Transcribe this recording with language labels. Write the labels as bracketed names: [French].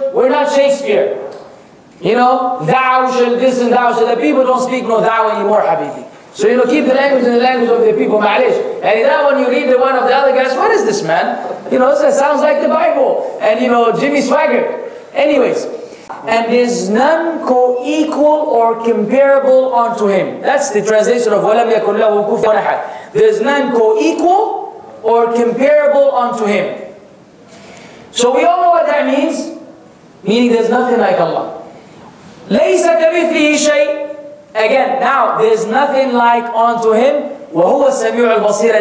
[English] We're not Shakespeare. You know, thou shall this and thou shall. The people don't speak no thou anymore, Habibi. So, you know, keep the language in the language of the people, ma'alish. And that one, you read the one of the other guys, what is this man? You know, this sounds like the Bible. And, you know, Jimmy Swagger. Anyways, and is none co-equal or comparable unto him. That's the translation of [Arabic] وَلَمْ يَكُنْ لَهُ كُفُوًا أَحَدٌ. [English] There's none co-equal or comparable unto him. So we all know what that means. Meaning there's nothing like Allah. [Arabic] لَيْسَ كَمِثْلِهِ شَيْءٍ. [English] Again, now, there's nothing like unto him. [Arabic] وَهُوَ السَّمِيعُ الْبَصِيرُ.